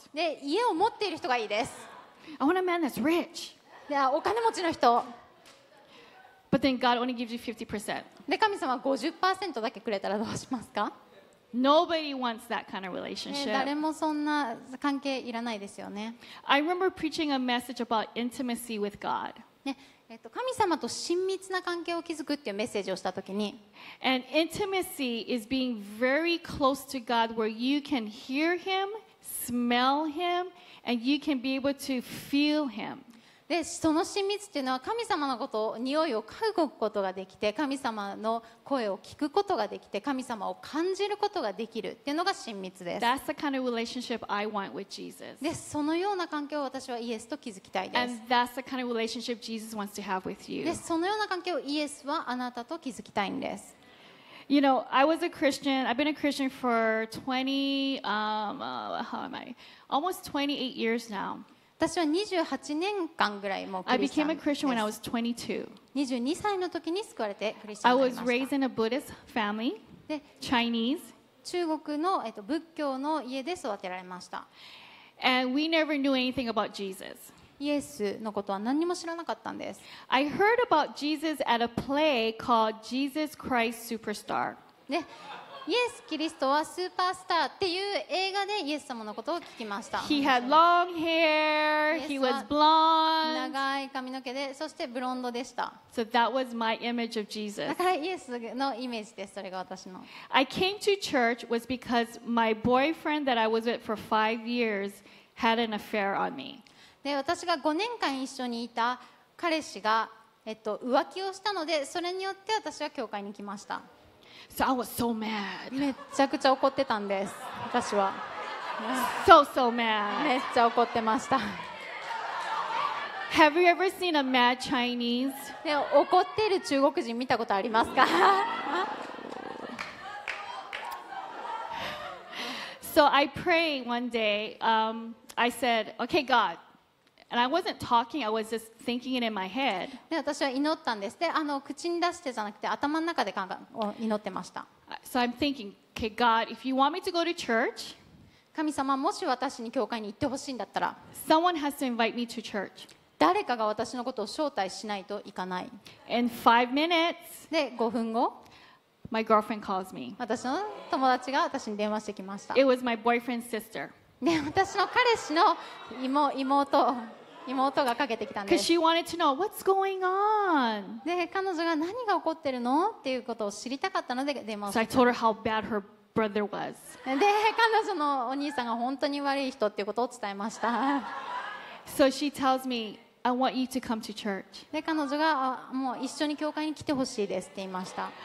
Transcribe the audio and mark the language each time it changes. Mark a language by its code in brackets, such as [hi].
[ja] で、家を持っている人がいいです。 [en] I want a man that's rich. [ja] で、お金持ちの人。 [en] But then God only gives you 50%. [ja] で、神様 50% だけくれたらどうしますか？ [en] Nobody wants that kind of relationship. [ja] 誰もそんな関係いらないですよね。 [en] I remember preaching a message about intimacy with God. [ja] ね、神様と親密な関係を築くっていうメッセージをしたときに、 [en] And intimacy is being very close to God where you can hear Him, smell Him, and you can be able to feel Him. [ja] で、その親密っていうのは神様のことを、匂いを嗅ぐことができて、神様の声を聞くことができて、神様を感じることができるっていうのが親密です。 [en] That's the kind of relationship I want with Jesus. [ja] で、そのような関係を私はイエスと築きたいです。 [en] And that's the kind of relationship Jesus wants to have with you. [ja] で、そのような関係をイエスはあなたと築きたいんです。 [en] You know, I was a Christian. I've been a Christian for 20, how am I? Almost 28 years now. [ja] 私は28年間ぐらいもうクリスチャン。 [en] I became a Christian when I was 22. [ja] 22歳の時に救われてクリスチャンになりました。 [en] I was raised in a Buddhist family. Chinese. [ja] 中国の、仏教の家で育てられました。 [en] And we never knew anything about Jesus. [ja] イエスのことは何も知らなかったんです。 [en] I heard about Jesus at a play called Jesus Christ Superstar. [ja] ね。イエス・キリストはスーパースターっていう映画でイエス様のことを聞きました。 [en] He had long hair, he was blonde. [ja] 長い髪の毛で、そしてブロンドでした。 [en] So that was my image of Jesus. [ja] だからイエスのイメージです、それが私の。 [en] I came to church was because my boyfriend that I was with for 5 years had an affair on me. [ja] で、私が5年間一緒にいた彼氏が、浮気をしたので、それによって私は教会に来ました。 [en] So I was so mad. [ja] めちゃくちゃ怒ってたんです。私は。 [en] So so mad. [ja] めっちゃ怒ってました。 [en] Have you ever seen a mad Chinese? [ja] ね、怒ってる中国人見たことありますか？ [en] So I prayed one day. I said, "Okay, God." And I wasn't talking. I was just thinking it in my head. [ja] で、私は祈ったんです。で、口に出してじゃなくて頭の中で考え、祈ってました。 [en] So I'm thinking, okay, God, if you want me to go to church, [ja] 神様、もし私に教会に行ってほしいんだったら、 [en] someone has to invite me to church. [ja] 誰かが私のことを招待しないといかない。 [en] In 5 minutes, [ja] で、5分後、 [en] my girlfriend calls me. [ja] 私の友達が私に電話してきました。 [en] It was my boyfriend's sister. [ja] で、私の彼氏の 妹がかけてきたんです。 [en] Because she wanted to know what's going on. [ja] で、彼女が何が起こってるのっていうことを知りたかったので電話をした。 [en] So I told her how bad her brother was. [ja] で、彼女のお兄さんが本当に悪い人っていうことを伝えました。 [en] So she tells me, I want you to come to church. [ja] で、彼女がもう一緒に教会に来てほしいですって言いました。